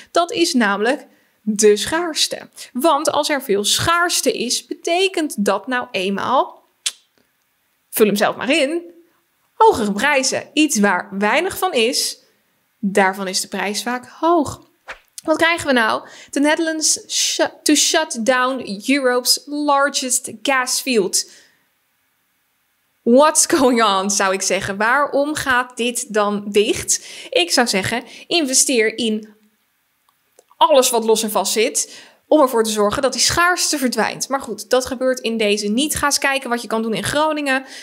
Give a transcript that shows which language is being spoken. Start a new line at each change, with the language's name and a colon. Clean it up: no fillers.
Dutch: Dat is namelijk de schaarste. Want als er veel schaarste is, betekent dat nou eenmaal, vul hem zelf maar in, hogere prijzen. Iets waar weinig van is, daarvan is de prijs vaak hoog. Wat krijgen we nou?
English: The Netherlands to shut down Europe's largest gas field. What's going on,
Dutch: zou ik zeggen. Waarom gaat dit dan dicht? Ik zou zeggen, investeer in alles wat los en vast zit, om ervoor te zorgen dat die schaarste verdwijnt. Maar goed, dat gebeurt in deze niet. Ga eens kijken wat je kan doen in Groningen.